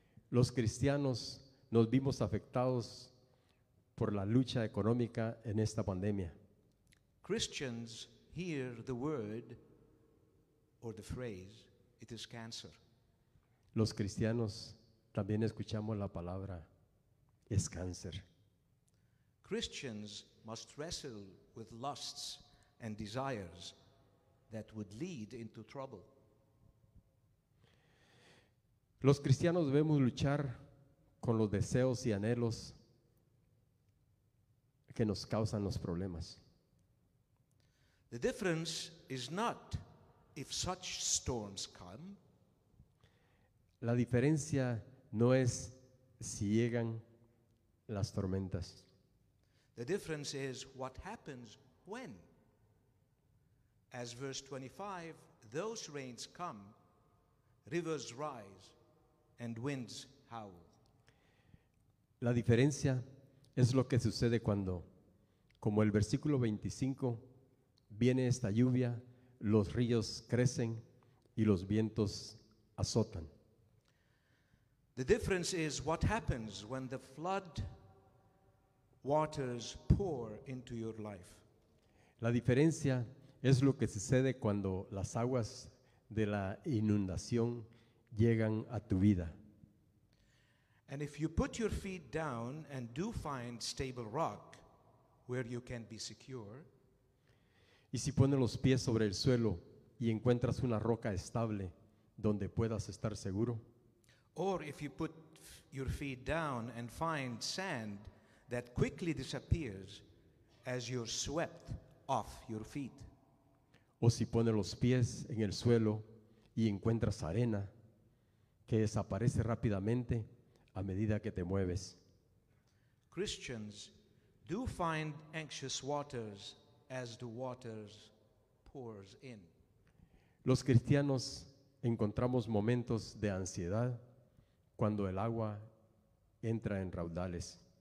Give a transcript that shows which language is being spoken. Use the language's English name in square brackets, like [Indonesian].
[Spanish] Los cristianos nos vimos afectados por la lucha económica en esta pandemia. [English] Christians hear the word or the phrase, it is cancer. [Spanish] Los cristianos también escuchamos la palabra, es cáncer. [English] Christians must wrestle with lusts and desires that would lead into trouble. [Spanish] Los cristianos debemos luchar con los deseos y anhelos que nos causan los problemas. [English] The difference is not if such storms come. [Spanish] La diferencia no es si llegan las tormentas. [English] The difference is what happens when. As verse 25, those rains come, rivers rise and winds howl. [Spanish] La diferencia es lo que sucede cuando, como el versículo 25, viene esta lluvia, los ríos crecen y los vientos azotan. [English] The difference is what happens when the flood waters pour into your life. [Spanish] La diferencia es lo que sucede cuando las aguas de la inundación llegan a tu vida. [English] And if you put your feet down and do find stable rock where you can be secure, [Spanish] y si pones los pies sobre el suelo y encuentras una roca estable donde puedas estar seguro, [English] or if you put your feet down and find sand that quickly disappears as you're swept off your feet. [Spanish] O si pones los pies en el suelo y encuentras arena que desaparece rápidamente a medida que te mueves. [English] Christians do find anxious waters as the waters pours in. [Spanish] Los cristianos encontramos momentos de ansiedad cuando el agua entra en raudales.